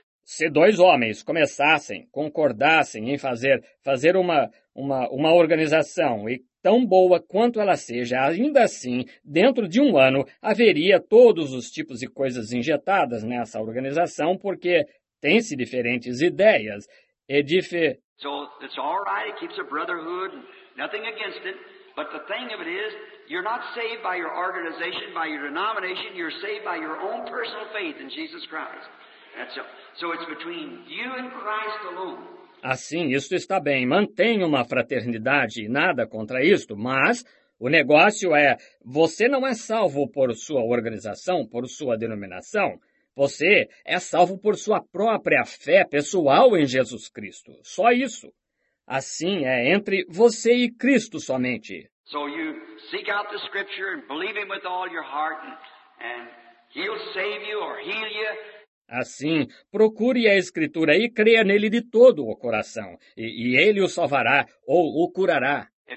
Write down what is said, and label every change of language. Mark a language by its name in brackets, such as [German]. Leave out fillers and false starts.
[Portuguese] Se dois homens começassem, concordassem em fazer uma organização e tão boa quanto ela seja, ainda assim, dentro de um ano, haveria todos os tipos de coisas injetadas nessa organização, porque tem-se diferentes ideias. [English] So it's all right, it keeps a brotherhood, nothing against it, but the thing of it is, you're not saved by your organization, by your denomination, you're saved by your own personal faith in Jesus Christ. So it's between you and Christ alone. [Portuguese] Assim, isto está bem, mantenha uma fraternidade e nada contra isto, mas o negócio é, você não é salvo por sua organização, por sua denominação, você é salvo por sua própria fé pessoal em Jesus Cristo, só isso. Assim é entre você e Cristo somente. [English] So you seek out the scripture and believe him with all your heart and he'll save you or heal you. [Portuguese] Assim, procure a Escritura e creia nele de todo o coração, e ele o salvará ou o curará.